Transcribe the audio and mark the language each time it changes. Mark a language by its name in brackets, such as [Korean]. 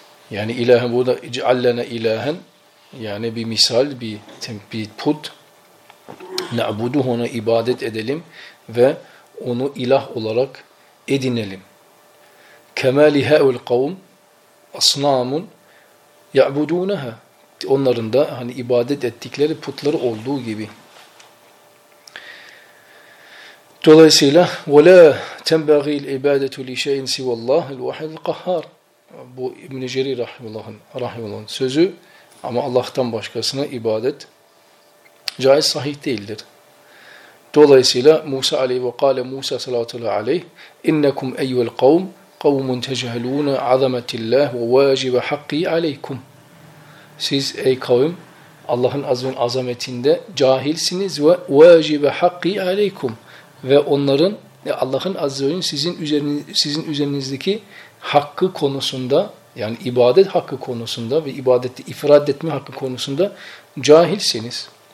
[Turkish] Yani ilahen burada [Arabic] İc'allene ilahen [Turkish] yani bir misal, bir put na'buduhu ona ibadet edelim ve onu ilah olarak edinelim. [Arabic] Kemali ha'ul kavm asnamun ya'budunaha. [Turkish] Onların da hani ibadet ettikleri putları olduğu gibi. Dolayısıyla [Arabic] وَلَا تَنْبَغِي الْاِبَادَةُ لِشَيْءٍ سِوَ اللّٰهِ الْوَحَدِ الْقَهَّارِ. [Turkish] Bu İbn-i Cerir Rahimullah'ın sözü ama Allah'tan başkasına ibadet caiz sahih değildir. Dolayısıyla Musa aleyhi ve kâle Musa salatullahi aleyh [Arabic] اِنَّكُمْ اَيُّ الْقَوْمِ قَوْمٌ تَجَهَلُونَ عَظَمَةِ اللّٰهِ وَوَاجِبَ حَقِّي عَلَيْكُمْ. [Turkish] Siz ey kavim Allah'ın azametinde cahilsiniz ve [Arabic] وَاجِبَ حَقِّي عَلَيْكُمْ [Turkish] ve onların ya Allah'ın azze ve celle sizin üzerinizdeki hakkı konusunda yani ibadet hakkı konusunda ve ibadeti ifrad etme hakkı konusunda cahilsiniz.